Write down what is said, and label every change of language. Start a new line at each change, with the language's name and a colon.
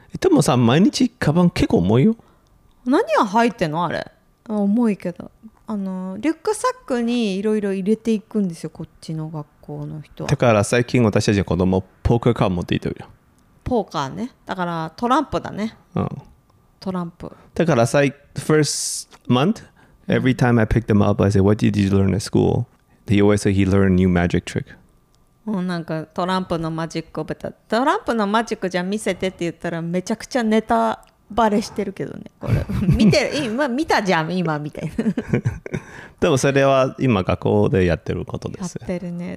Japanese: でもさ、毎日カバン結構重いよ。何が入ってんのあれ。重いけど、リュックサックにいろいろ入れていくんですよ、こっちの学校の人は。だから最近私たちの子供ポーカーカード持っていてるよ。ポーカーね。だからトランプだね。うん、トランプ。だから最初、
English: first monthEvery time I picked him up, I said, what did you learn at school? He always said he learned a new magic trick.
Japanese: なんかトランプのマジックを覚えた。トランプのマジックじゃ見せてって言ったらめちゃくちゃネタバレしてるけどね。これ見てる、今見たじゃん、今みたいな。でもそれは今学校でやってることです。やってるね。